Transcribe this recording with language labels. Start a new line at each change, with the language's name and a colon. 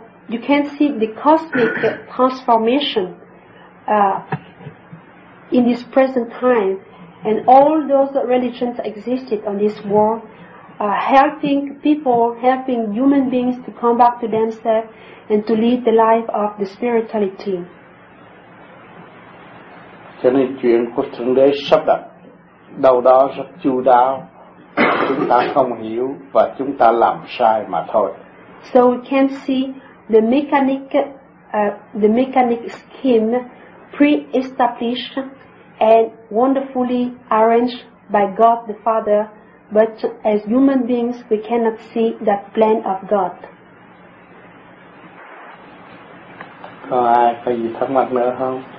English: You can see the cosmic transformation in this present time, and all those religions existed on this world helping people, helping human beings to come back to themselves and to lead the life of the spirituality.
Vietnamese: Cho nên chuyện của Thượng Đế sắp đặt đâu đó rất chu đáo, chúng ta không hiểu và chúng ta làm sai mà thôi.
English: So we can see the mechanic scheme pre-established and wonderfully arranged by God the Father, but as human beings we cannot see that plan of God.
Vietnamese: Có ai có gì thắc mắc nữa không?